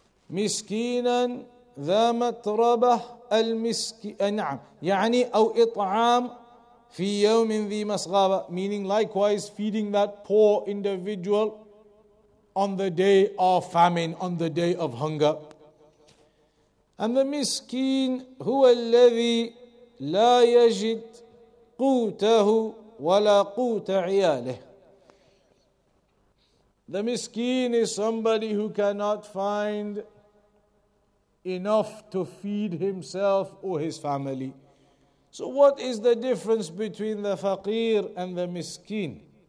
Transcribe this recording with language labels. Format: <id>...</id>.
<ar>مِسْكِينًا ذَا مَتْرَبَةً الْمِسْكِينًا نعم يعني أَوْ إِطْعَام في يوم ذي مسغابة,</ar> <en>meaning likewise feeding that poor individual on the day of famine, on the day of hunger. And the miskin</en> <ar>هو الذي لا يجد قوته ولا قوت عياله.</ar> <en>The miskin is somebody who cannot find enough to feed himself or his family. So what is the difference between the faqir and the miskin?</en>